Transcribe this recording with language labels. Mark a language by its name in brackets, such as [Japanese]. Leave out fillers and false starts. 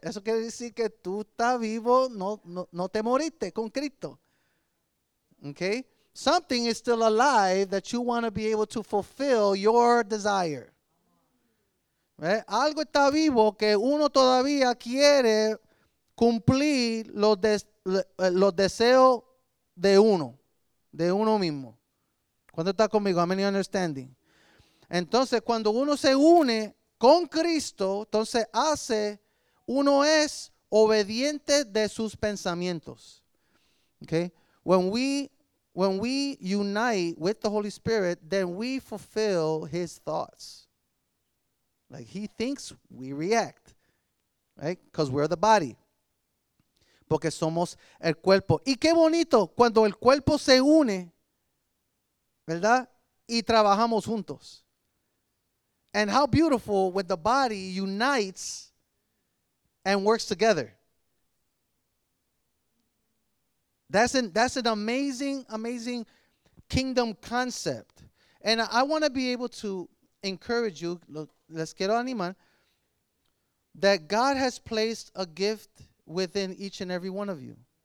[Spanish] Eso quiere decir que tú estás vivo, no te moriste con Cristo. [English] Okay? Something is still alive that you want to be able to fulfill your desire. Right? [Spanish] Algo está vivo que uno todavía quiere cumplir los deseos de uno mismo. ¿Cuándo está conmigo? [English] How many understanding? [Spanish] Entonces, cuando uno se une con Cristo, entonces hace, uno es obediente de sus pensamientos. [English] Okay? When we unite with the Holy Spirit, then we fulfill his thoughts. Like he thinks, we react. Right? Because we're the body. [Spanish] Porque somos el cuerpo. Y qué bonito cuando el cuerpo se une, ¿verdad? Y trabajamos juntos. [English] And how beautiful when the body unites and works together. That's an amazing, amazing kingdom concept. And I want to be able to encourage you, [Spanish] les quiero animar, [English] that God has placed a gift within each and every one of you.